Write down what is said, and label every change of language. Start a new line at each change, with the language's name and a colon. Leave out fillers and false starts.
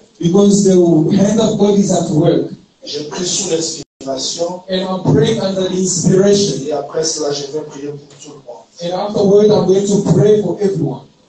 English: Because the hand of God is at work.
French: Je prie sous l'inspiration.
English: And I'm praying under the inspiration.
French: Et après cela, je vais prier pour tout le monde.
English: And afterward, I'm going to pray for everyone.